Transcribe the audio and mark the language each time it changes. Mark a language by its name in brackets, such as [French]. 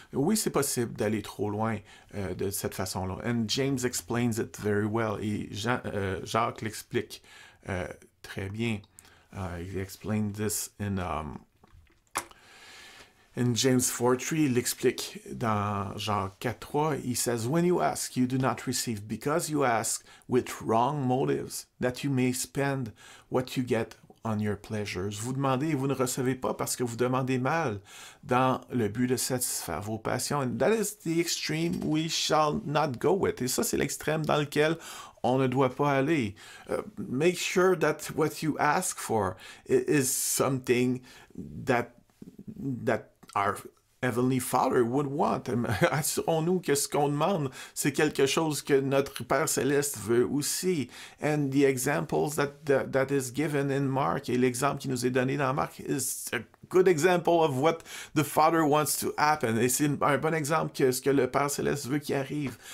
[French] Oui, c'est possible d'aller trop loin de cette façon-là. [English] And James explains it very well. [French] Et Jacques l'explique très bien. [English] He explained this in James 4:3. [French] Il l'explique dans Jacques 4:3. [English] He says, when you ask, you do not receive because you ask with wrong motives that you may spend what you get on your pleasures. [French] Vous demandez et vous ne recevez pas parce que vous demandez mal dans le but de satisfaire vos passions. [English] And that is the extreme we shall not go with. [French] Et ça, c'est l'extrême dans lequel on ne doit pas aller. [English] Make sure that what you ask for is something that our Heavenly Father would want. [French] Assurons-nous que ce qu'on demande, c'est quelque chose que notre Père Céleste veut aussi. [English] And the examples that is given in Mark, [French] et l'exemple qui nous est donné dans Marc, [English] is a good example of what the Father wants to happen. [French] Et c'est un bon exemple que ce que le Père Céleste veut qu'il arrive.